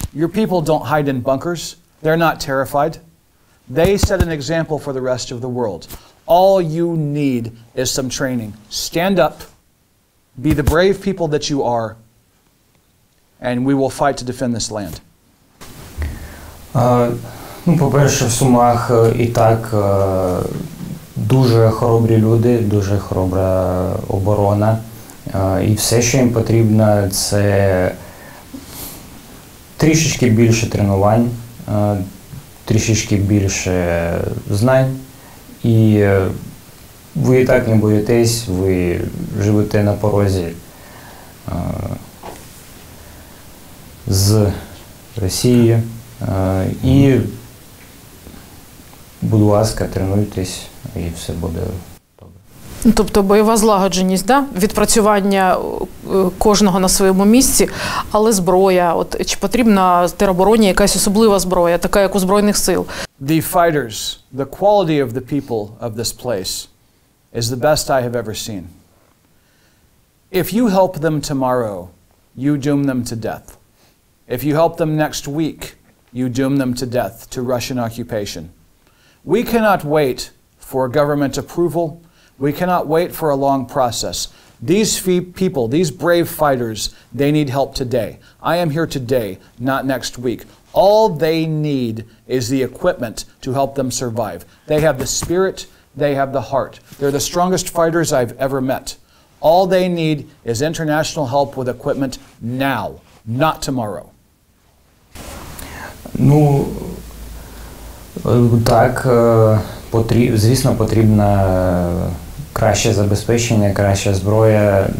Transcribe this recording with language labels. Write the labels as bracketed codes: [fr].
[en] Your people don't hide in bunkers. They're not terrified. They set an example for the rest of the world. All you need is some training. Stand up, be the brave people that you are, and we will fight to defend this land. [uk] По-перше, в Сумах і так дуже хоробрі люди, дуже хоробра оборона. І все, що їм потрібно, це трішечки більше тренувань, трішечки більше знань. І ви і так не боїтесь, ви живете на порозі з Росією. І, будь ласка, тренуйтесь, і все буде. Тобто бойова злагодженість, да? Відпрацювання кожного на своєму місці, але зброя, от, чи потрібна теробороні якась особлива зброя, така як у Збройних сил? [en] The fighters, the quality of the people of this place is the best I have ever seen. If you help them tomorrow, you doom them to death. If you help them next week, you doom them to death, to Russian occupation. We cannot wait for government approval. We cannot wait for a long process. These people, these brave fighters, they need help today. I am here today, not next week. All they need is the equipment to help them survive. They have the spirit, they have the heart. They're the strongest fighters I've ever met. All they need is international help with equipment now, not tomorrow. [uk] Ну, так, звісно, потрібно краще забезпечення, краща зброя.